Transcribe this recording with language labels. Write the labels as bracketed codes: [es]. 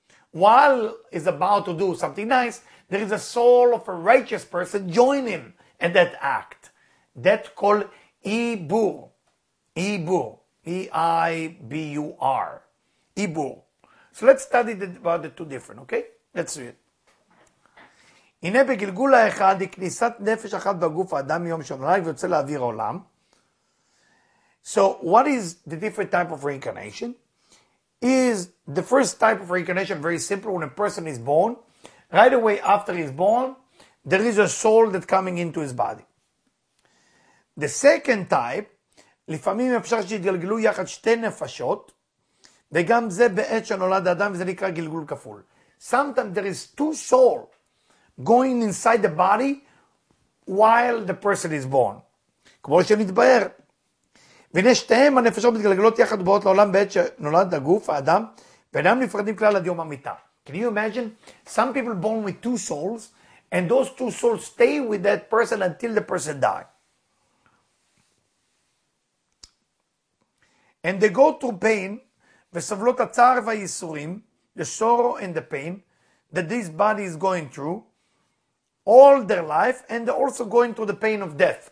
[en] While he's about to do something nice, there is a soul of a righteous person join him in that act. That's called Ibur. Ibur. E-I-B-U-R. Ibur. So let's study about the two different, okay? Let's do it. [he] הנה בגלגול האחד היא כניסת נפש אחת בגוף האדם יום שונלג ויוצא להעביר עולם. [en] So what is the different type of reincarnation? Is the first type of reincarnation very simple? When a person is born, right away after he's born, there is a soul that's coming into his body. The second type, [he] לפעמים אפשר שיתגלגלו יחד שתי נפשות, וגם זה בעת שנולד האדם, וזה נקרא גלגול כפול. [en] Sometimes there is two souls going inside the body while the person is born. [he] כמו שמתבהר, והנה שתיהם הנפשות מתגלגלות יחד ובאות לעולם בעת שנולד הגוף, האדם, ואינם נפרדים כלל עד יום המיטה. [en] Can you imagine? Some people born with two souls, and those two souls stay with that person until the person die. And they go through pain, [he] וסבלות הצער והייסורים, [en] the sorrow and the pain, that this body is going through, all their life, and they're also going through the pain of death.